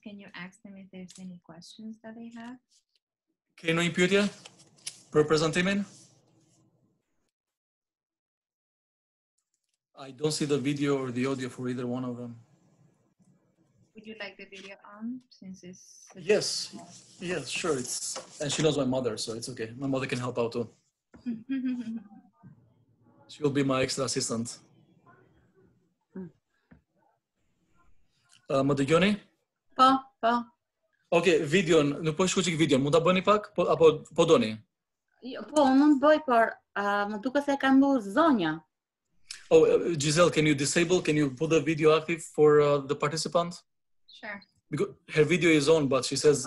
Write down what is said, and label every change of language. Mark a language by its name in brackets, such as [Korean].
[English] Can you ask them if there's any questions that they have? [Albanian] Okay, no pyetje për prezantimin? [English] I don't see the video or the audio for either one of them. Would you like the video on, since it's... Yes, time? Yes, sure. It's, and she knows my mother, so it's okay. My mother can help out too. She'll be my extra assistant. [Albanian] Më dëgjoni? Po, po. Okay, video, nuk po shkoj video, mund ta bëni pak apo po doni? Jo, po mund bëj, por më duket se kam bërë zonja. [English] Oh, Giselle, can you disable? Can you put the video active for the participant? Sure. Because her video is on, but she says